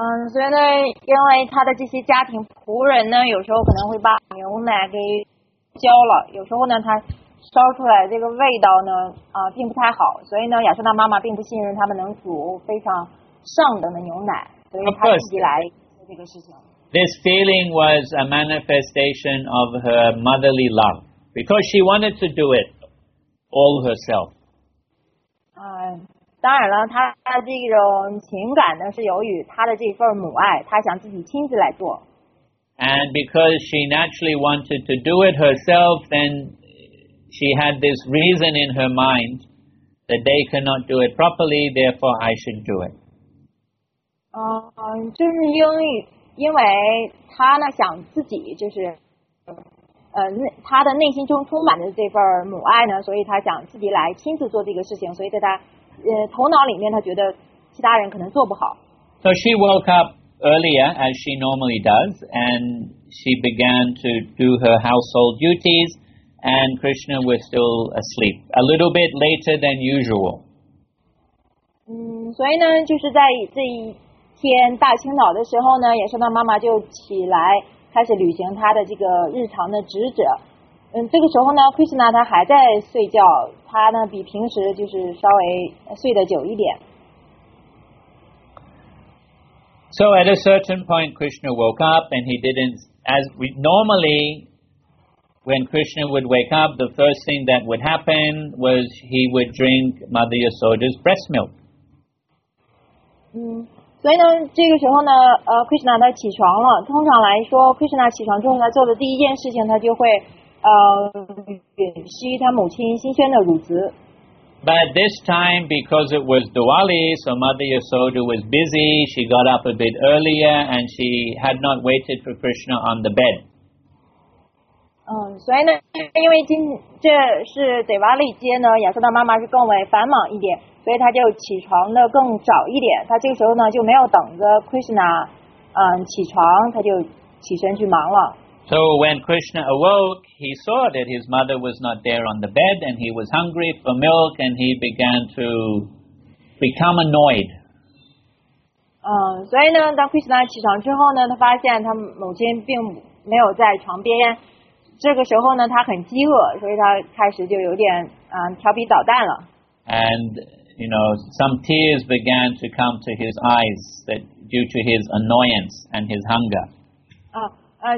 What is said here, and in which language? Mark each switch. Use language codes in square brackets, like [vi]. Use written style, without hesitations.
[zh] 所以呢，因为她的这些家庭仆人呢，有时候可能会把牛奶给浇了，有时候呢，她烧出来这个味道呢，并不太好，所以呢，亚瑟娜妈妈并不信任他们能煮非常上等的牛奶，所以她自己来做这个事情。 [en] This feeling was a manifestation of her motherly love because she wanted to do it all herself. [zh] 当然了，她这种情感呢是由于她的这份母爱，她想自己亲自来做。 [en] And because she naturally wanted to do it herself, then she had this reason in her mind that they cannot do it properly, therefore I should do it. [zh] 就是因为他呢想自己就是他的内心中充满着这份母爱呢，所以他想自己来亲自做这个事情，所以在他头脑里面他觉得其他人可能做不好。 [en] So she woke up earlier as she normally does and she began to do her household duties and Krishna was still asleep a little bit later than usual. [zh] 所以呢就是在这一天大清早的时候呢，亚瑟娜妈妈就起来开始履行她的这个日常的职责。这个时候呢 ，Krishna 他还在睡觉，他呢比平时就是稍微睡得久一点。 [en] So at a certain point, Krishna woke up and he didn't. As we normally, when Krishna would wake up, the first thing that would happen was he would drink Mother Yasoda's breast milk. [zh] 所以呢，这个时候呢，Krishna 他起床了。通常来说 ，Krishna 起床之后，他做的第一件事情，他就会，吮吸他母亲新鲜的乳汁。 [en] But this time, because it was Diwali, so Mother Yasoda was busy. She got up a bit earlier, and she had not waited for Krishna on the bed. [zh] 所以呢，因为这是 Diwali 节呢，亚瑟的妈妈是更为繁忙一点。所以他就起床的更早一点，他这个时候呢就没有等着 Krishna 起床，他就起身去忙了。 [en] So when Krishna awoke, he saw that his mother was not there on the bed and he was hungry for milk and he began to become annoyed. [zh] 所以呢，当 Krishna 起床之后呢，他发现他母亲并没有在床边，这个时候呢他很饥饿，所以他开始就有点调皮捣蛋了。 [en] And you know, some tears began to come to his eyes that due to his annoyance and his hunger.